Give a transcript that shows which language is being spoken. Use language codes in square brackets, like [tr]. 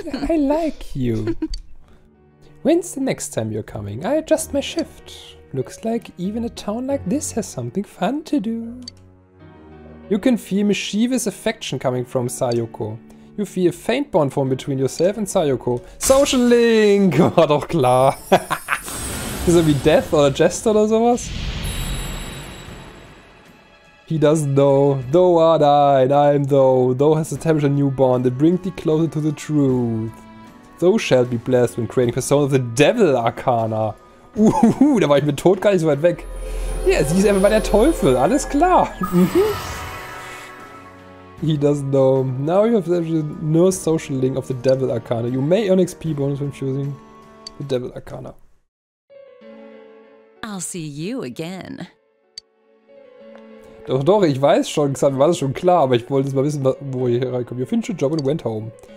[en] I like you. When's the next time you're coming? I adjust my shift. Looks like even a town like this has something fun to do. You can feel mischievous affection coming from Sayoko. You feel a faint bond form between yourself and Sayoko. [de] Social Link! Oh, doch klar. [en] Is it [de] wie Death oder Jest oder sowas? [en] He doesn't know. Thou art I, and I am thou. Thou hast established a new bond that brings thee closer to the truth. Thou shalt be blessed when creating Persona of the Devil Arcana. [de] Da war ich mit Tod gar nicht so weit weg. Ja, [en] yeah, [de] sie ist einfach mal der Teufel, alles klar. [en] He doesn't know. Now you have the nurse social link of the Devil Arcana. You may earn XP bonus when choosing the Devil Arcana. I'll see you again. [de] Doch, doch, ich weiß schon, Xan, war das schon klar, aber ich wollte jetzt mal wissen, wo ihr hier reinkommt. [en] You finished your job and went home.